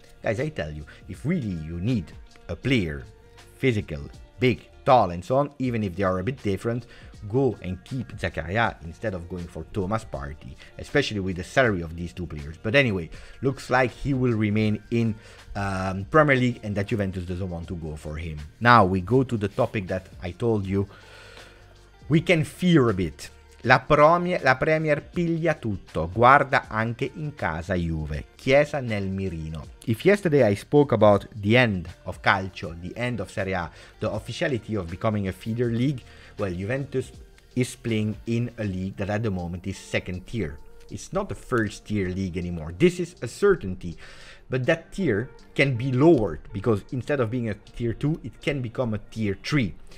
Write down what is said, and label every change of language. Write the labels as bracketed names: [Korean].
[English] Guys, I tell you, if really you need a player, physical, big, tall and so on, even if they are a bit different, go and keep Zakaria instead of going for Thomas Partey, especially with the salary of these two players. But anyway, looks like he will remain in Premier League and that Juventus doesn't want to go for him. Now, we go to the topic that I told you, we can fear a bit. [Italian] La Premier piglia tutto, guarda anche in casa Juve, Chiesa nel mirino. [English] If yesterday I spoke about the end of Calcio, the end of Serie A, the officiality of becoming a feeder league, well, Juventus is playing in a league that at the moment is second tier. It's not a first tier league anymore. This is a certainty. But that tier can be lowered because instead of being a tier 2, it can become a tier 3.